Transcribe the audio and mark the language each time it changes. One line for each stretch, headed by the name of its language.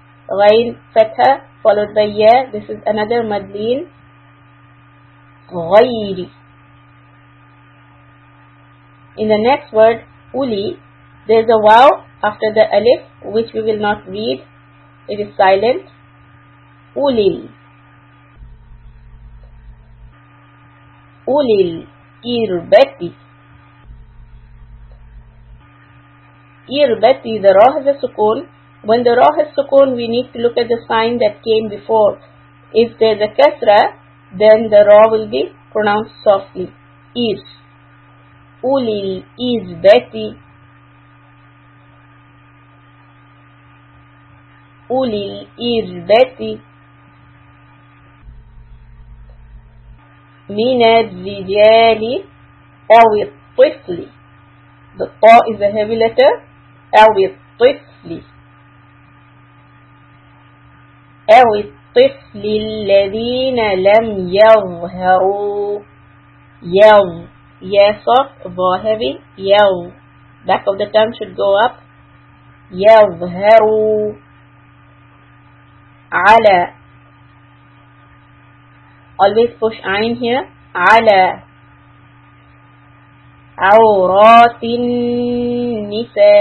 Arabic: غين فتحة
English: followed by
Arabic: ياء.
English: This is another مدلين.
Arabic: غيري.
English: In the next word, أولي, there's a واو after the ألف which we will not read. It is silent. Ulil.
Arabic: Ulil irbati.
English: Irbati, the ra has a sukun. When the ra has sukun, we need to look at the sign that came before. If there's a kasra, then the ra will be pronounced softly.
Arabic: Ir. Ulil irbati. Ulil irbati. من الرجال أو الطفل.
English: The طاء is a heavy letter.
Arabic: أو الطفل. أو الطفل الذين لم يظهروا.
English: يظ. Yes, soft, vowel heavy. يظ. Back of the tongue should go up. يظهروا.
Arabic: على
English: always push
Arabic: عين
English: here
Arabic: على عورات النساء.